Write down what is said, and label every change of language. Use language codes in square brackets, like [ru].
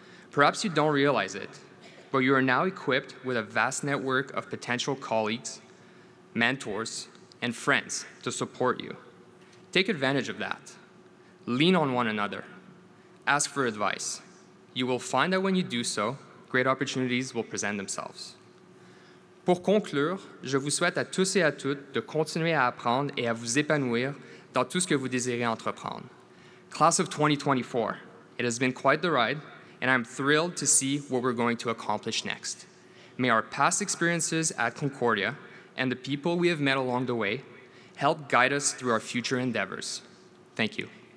[en] Perhaps you don't realize it, but you are now equipped with a vast network of potential colleagues, mentors, and friends to support you. Take advantage of that. Lean on one another. Ask for advice. You will find that when you do so, great opportunities will present themselves. [fr] Pour conclure, je vous souhaite à tous et à toutes de continuer à apprendre et à vous épanouir dans tout ce que vous désirez entreprendre. [en] Class of 2024, it has been quite the ride, and I'm thrilled to see what we're going to accomplish next. May our past experiences at Concordia and the people we have met along the way help guide us through our future endeavors. Thank you.